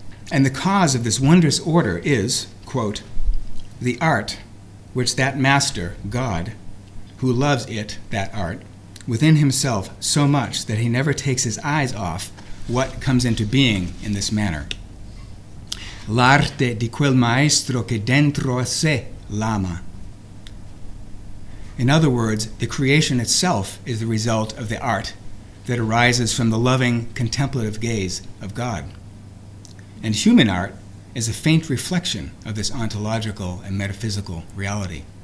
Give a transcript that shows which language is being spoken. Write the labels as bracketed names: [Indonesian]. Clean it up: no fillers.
[English] And the cause of this wondrous order is, quote, the art which that master, God, who loves it, that art, within himself so much that he never takes his eyes off what comes into being in this manner. [Italian] L'arte di quel maestro che dentro a sé l'ama. [English] In other words, the creation itself is the result of the art that arises from the loving, contemplative gaze of God. And human art is a faint reflection of this ontological and metaphysical reality.